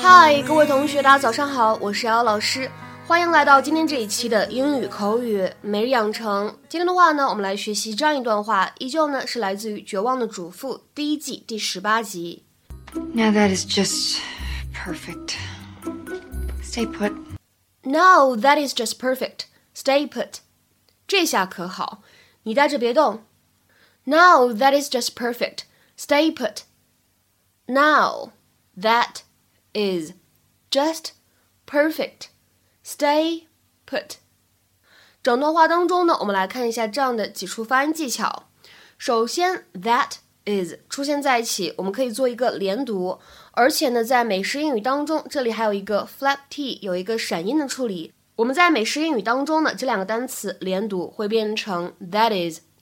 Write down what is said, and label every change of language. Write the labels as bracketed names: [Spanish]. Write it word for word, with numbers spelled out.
[Chinese] 嗨，各位同学，大家早上好，我是姚老师，欢迎来到今天这一期的英语口语每日养成。今天的话呢，我们来学习这样一段话，依旧呢是来自于《绝望的主妇》第一季第十八集。 [English] Now that is just perfect. Stay put. Now that is just perfect. Stay put. [Chinese] 这下可好，你待着别动。 [English] Now that is just perfect. Stay put. Now that is just perfect. Stay put. [Chinese] 整段话当中呢，我们来看一下这样的几处发音技巧。首先 that is 出现在一起，我们可以做一个连读，而且呢，在美式英语当中，这里还有一个 flap t， 有一个闪音的处理。我们在美式英语当中呢，这两个单词连读会变成 that is。